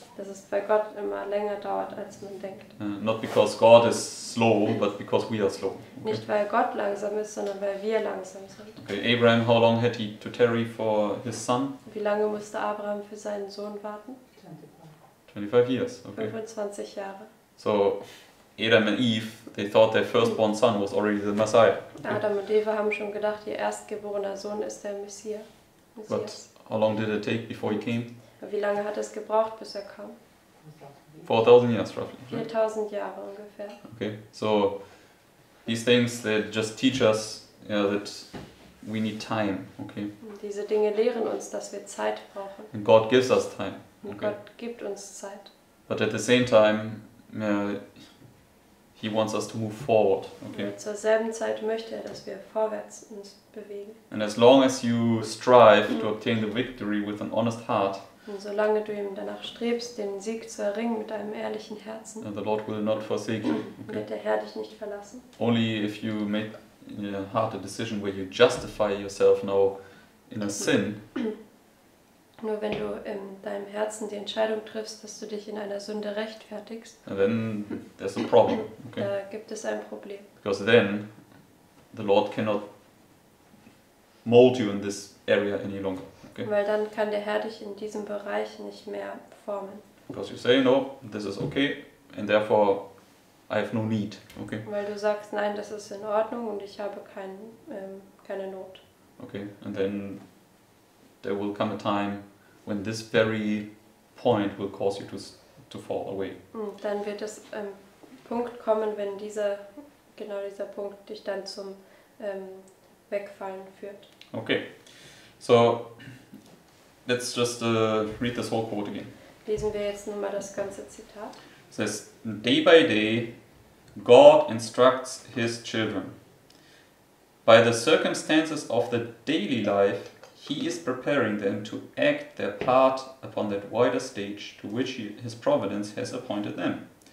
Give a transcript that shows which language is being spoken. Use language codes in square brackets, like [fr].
[de] Dass es bei Gott immer länger dauert, als man denkt. [en] Not because God is slow, but because we are slow. Okay. [de] Nicht weil Gott langsam ist, sondern weil wir langsam sind. [en] Okay, Abraham, how long had he to tarry for his son? [de] Wie lange musste Abraham für seinen Sohn warten? [en] 25 years. Okay. [de] 25 Jahre. [en] So, Adam and Eve, they thought their firstborn son was already the Messiah. Okay. [de] Adam und Eva haben schon gedacht, ihr erstgeborener Sohn ist der Messias. [en] But how long did it take before he came? [de] Wie lange hat es gebraucht, bis er kam? [en] 4,000 years roughly. [de] 4,000 Jahre ungefähr. [en] Okay, so these things they just teach us, yeah, that we need time. Okay. [de] Diese Dinge lehren uns, dass wir Zeit brauchen. [en] And God gives us time. [de] Okay. Und Gott gibt uns Zeit. [en] But at the same time, he wants us to move forward. Okay. [de] Und zur selben Zeit möchte er, dass wir vorwärts uns bewegen. [en] And as long as you strive to obtain the victory with an honest heart. [de] Und solange du ihm danach strebst, den Sieg zu erringen mit einem ehrlichen Herzen, [en] the Lord will not forsake you. Okay. [de] Wird der Herr dich nicht verlassen. [en] Only if you make in your heart a decision where you justify yourself now in a sin. [de] Nur wenn du in deinem Herzen die Entscheidung triffst, dass du dich in einer Sünde rechtfertigst, [en] then there's a problem. Okay. [de] Da gibt es ein Problem. [en] Because then the Lord cannot mold you in this area any longer. Okay. [de] Weil dann kann der Herr dich in diesem Bereich nicht mehr formen. [en] Because you say no, this is okay, and therefore I have no need. Okay. [de] Weil du sagst nein, das ist in Ordnung und ich habe keine Not. [en] Okay, and then there will come a time when this very point will cause you to fall away. [de] Und dann wird es Punkt kommen, wenn dieser Punkt dich dann zum Wegfallen führt. [en] Okay, so let's just read this whole quote again. [de] Lesen wir jetzt nochmal das ganze Zitat. [en] It says, day by day, God instructs his children. By the circumstances of the daily life, he is preparing them to act their part upon that wider stage to which his providence has appointed them.